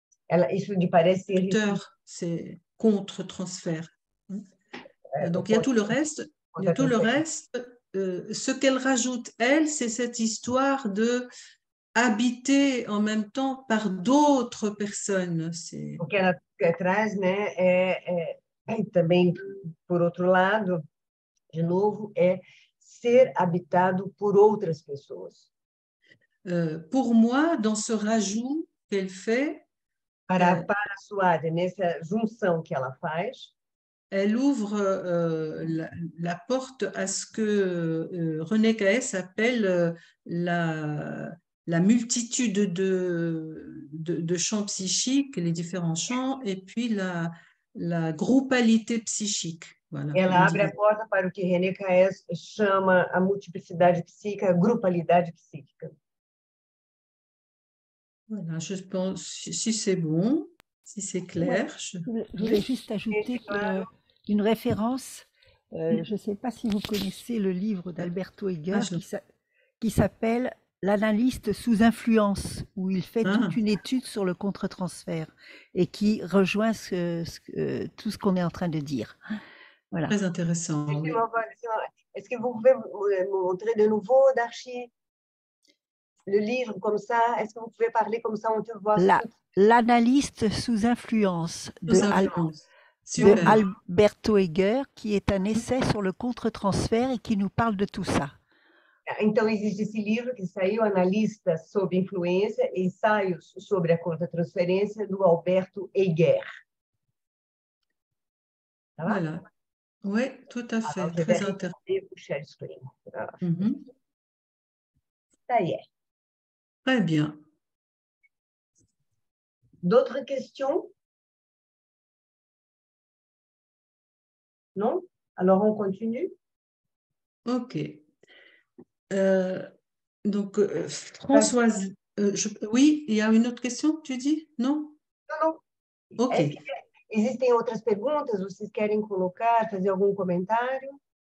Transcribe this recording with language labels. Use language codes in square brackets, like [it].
[fr] restructeur, c'est contre-transfert. Donc, il y a tout le reste. Il y a tout le reste. Ce qu'elle rajoute, elle, c'est cette histoire de habité en même temps par d'autres personnes. [pt] O que ela traz, né, também, por outro lado, de novo, ser habitado por outras pessoas. [fr] Pour moi, dans ce rajout qu'elle fait, [pt] para a Suade, nessa junção que ela faz, [fr] elle ouvre la porte à ce que René Caes appelle la la multitude de champs psychiques, les différents champs, et puis la groupalité psychique. Voilà, [pt] ela abre a porta para o que René Caes chama a multiplicidade psíquica, a grupalidade psíquica. [fr] Voilà, je pense, si c'est bon, si c'est clair. Je voulais juste ajouter une référence. Je ne sais pas si vous connaissez le livre d'Alberto Egger qui s'appelle « L'analyste sous influence » où il fait toute une étude sur le contre-transfert et qui rejoint tout ce qu'on est en train de dire. Voilà. Très intéressant. Oui. Est-ce que vous pouvez vous montrer de nouveau, Darchi, le livre comme ça? Est-ce que vous pouvez parler comme ça, on te voit? L'analyste sous influence de Alberto Egger, qui est un essai sur le contre-transfert et qui nous parle de tout ça. [pt] Então, existe esse livro que saiu, Analista sob Influência, Ensaios sobre a Contra-Transferência, do Alberto Egger. Tá lá? [fr] Voilà. Oui, tout à fait. Alors, très intéressant. Vous [en] share screen. [fr] Ça y est. Très bien. D'autres questions? Non? Alors, on continue? Ok. Donc, Françoise, oui, il y a une autre question, tu dis? Non? Non, non. Ok. [pt] Existem outras perguntas? Vocês querem colocar, fazer algum comentário?